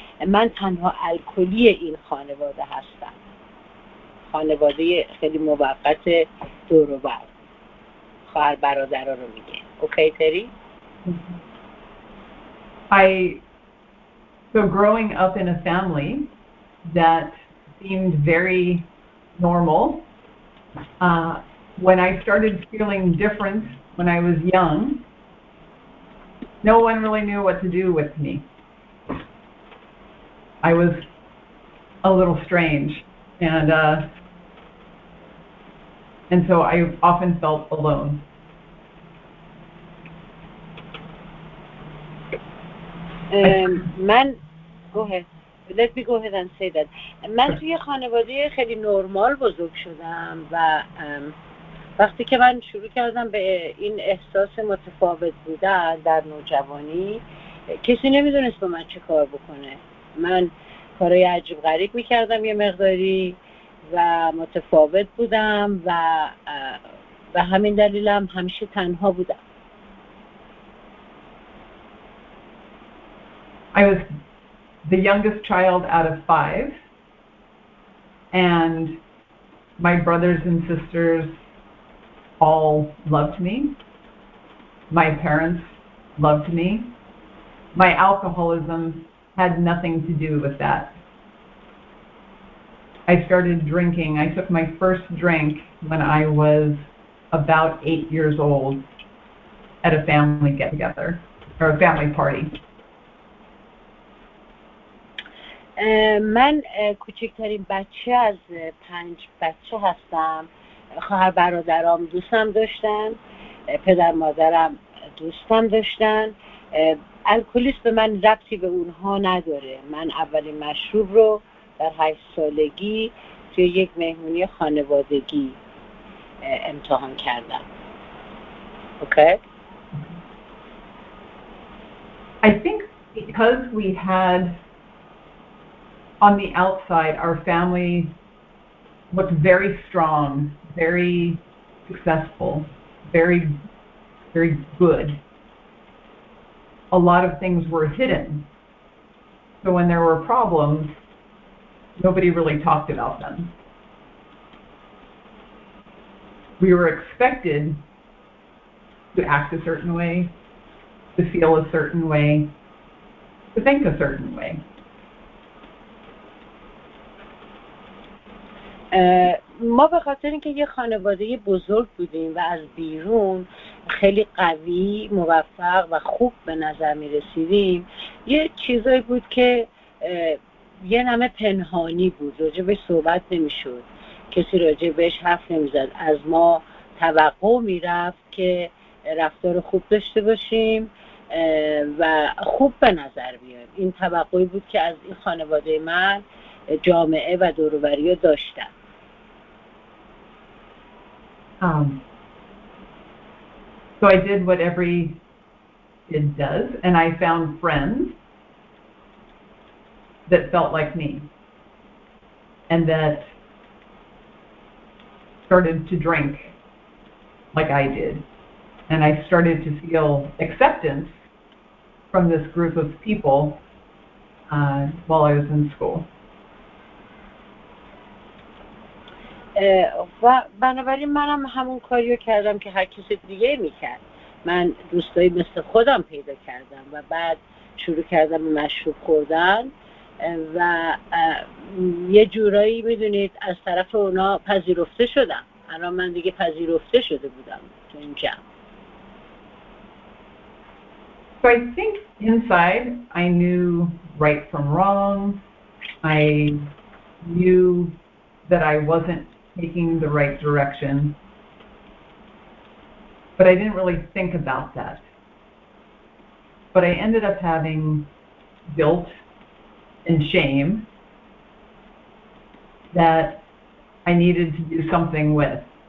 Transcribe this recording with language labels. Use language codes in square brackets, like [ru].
[fa] من تنها الکلی این خانواده هستم، خانواده خیلی موقت دور و بر، خواهر برادر رو میگه. اوکی تری؟ [en] So growing up in a family that seemed very normal, when I started feeling different when I was young, no one really knew what to do with me. I was a little strange, and so I often felt alone. من گوه Let me go ahead and say that. [fa] من توی خانواده خیلی نرمال بزرگ شدم و وقتی که من شروع کردم به این احساس متفاوت بودن در نوجوانی، کسی نمیدونست با من چه کار بکنه. من کارهای عجیب غریب میکردم یه مقداری و متفاوت بودم و به همین دلیلم همیشه تنها بودم. [en] I was the youngest child out of 5, and my brothers and sisters all loved me. My parents loved me. My alcoholism had nothing to do with that. I started drinking. I took my first drink when I was about 8 years old at a family get-together or a family party. [fa] من کوچکترین بچه از 5 بچه هستم. خواهر برادرام دوستم داشتن، پدر مادرم دوستم داشتن. الکلیسم به من ربطی به اونها نداره. من اولین مشروب رو در 8 سالگی توی یک مهمونی خانوادگی امتحان کردم. اوکی. [en] I think because we had on the outside, our family looked very strong, very successful, very, very good. A lot of things were hidden. So when there were problems, nobody really talked about them. We were expected to act a certain way, to feel a certain way, to think a certain way. [fa] ما به خاطر اینکه یه خانواده بزرگ بودیم و از بیرون خیلی قوی، موفق و خوب به نظر می رسیدیم، یه چیزایی بود که یه نمه پنهانی بود، راجع به صحبت نمی شد، کسی راجع بهش حرف نمی زد. از ما توقع می رفت که رفتار خوب داشته باشیم و خوب به نظر بیاییم. این توقعی بود که از این خانواده من جامعه و دوروبری داشتم. [en] So I did what every kid does, and I found friends that felt like me and that started to drink like I did, and I started to feel acceptance from this group of people while I was in school. [fa] و بنابراین منم همون کاریو کردم که هر کسی دیگه میکرد. من دوستایی مثل خودم پیدا کردم و بعد شروع کردم به مشروب خوردن و یه جورایی میدونید از طرف اونا پذیرفته شدم. الان من دیگه پذیرفته شده بودم تو این جمع. [en] So I think inside I knew right from wrong. I knew that I wasn't taking the right direction. But I didn't really think about that. But I ended up having guilt and shame that I needed to do something with.